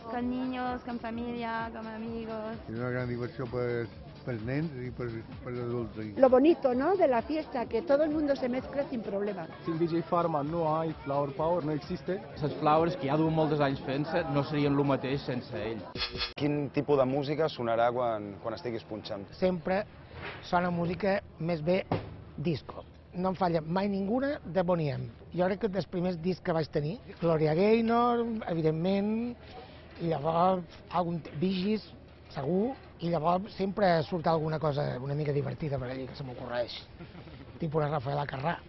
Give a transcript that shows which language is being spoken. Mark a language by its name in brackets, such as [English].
[Spanish] Con niños, con familia, con amigos. [Catalan] És una gran diversió per nens i per adults. [Spanish] Lo bonito, ¿no?, de la fiesta, que todo el mundo se mezcla sin problema. Si el DJ Pharma no hay Flower Power, no existe. [Catalan] Les Flowers, que ja duen molts anys fent-se, no serien el mateix sense ell. Quin tipus de música sonarà quan estiguis punxant? Sempre sona música més bé disco. No em falla mai ninguna de Boniem. Jo crec que dels primers discs que vaig tenir, Gloria Gaynor, evidentment, i llavors algun Vigis, segur, i llavors sempre surt alguna cosa una mica divertida per allà que se m'ocorreix. Tipo una Rafaela Carrà.